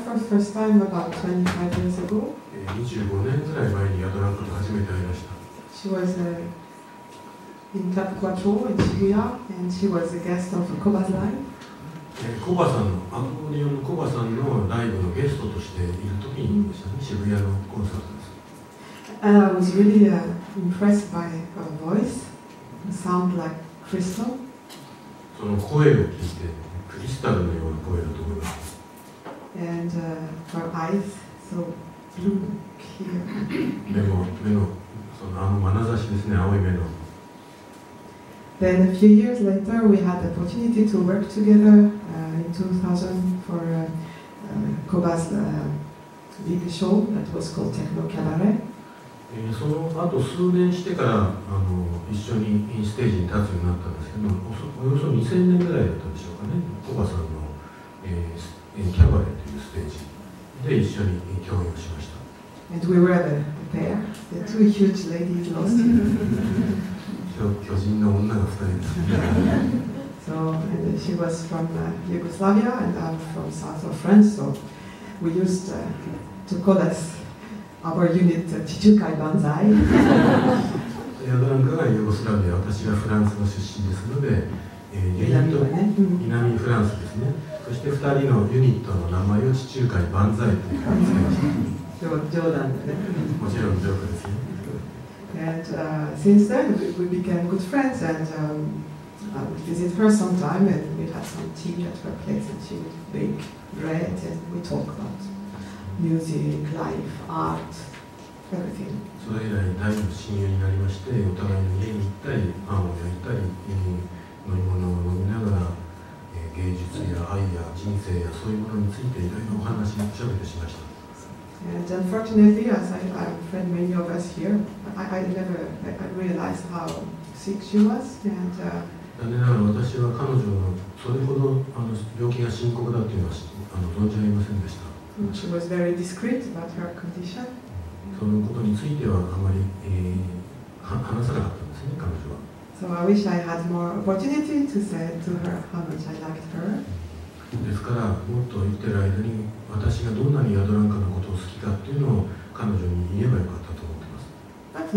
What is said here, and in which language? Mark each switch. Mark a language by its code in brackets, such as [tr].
[en] First time about 25 years ago. [ja] 25年ぐらい前にヤドランカと初めて会いました。 [en] She was in Club Quattro in Shibuya, and she was a guest of Koba Live. [ja] Koba さんのアコーディオンのKoba さんのライブのゲストとしているときにでしたね、渋谷のコンサートです。 [en] I was really impressed by her voice, sound like crystal. [ja] その声を聞いて、クリスタルのような声だと思います。 [en] And her eyes so blue clear. [ja] 目のそのあの眼差しですね、青い目の。 [en] Then a few years later, we had the opportunity to work together in 2000 for Koba's big show that was called Techno Cabaret. [ja] その後数年してから一緒にステージに立つようになったんですけど、およそ2000年ぐらいだったんでしょうかね、Koba さんの。キャバレーというステージで一緒に共演をしました。 [en] And we were the pair, the two huge ladies lost [ja] you. 巨人の女が2人ですね。 [en] So, and she was from Yugoslavia and I'm from south of France, so we used to call us our unit Chichukai Banzai. [ja] ヤドランカがユーゴスラビア、私はフランスの出身ですので、ユニット南フランスですね。そして2人のユニットの名前を地中海万歳と言っていました。 冗談でね。もちろんジョークですね。 [en] And since then we became good friends and visit her sometime and we had some tea at her place and she would bake bread and we talk about music, life, art, everything. [ja] それ以来大の親友になりまして、お互いの家に行ったりパンを焼いたり飲み物を飲みながら芸術や愛や人生やそういうものについていろいろお話しちゃべりしました。 [en] And unfortunately, as I friend many of us here, I realized how sick she was. And [ja] 残念ながら私は彼女のそれほど病気が深刻だというのは存じ上げませんでした。 [en] She was very discreet about her condition. [ja] そのことについてはあまり、話さなかったんですね、彼女は。 [en] So I wish I had more opportunity to say to her how much I liked her. [ja] ですから、もっと言ってる間に私がどんなにヤドランカのことを好きかっていうのを彼女に言えばよかったと思ってます。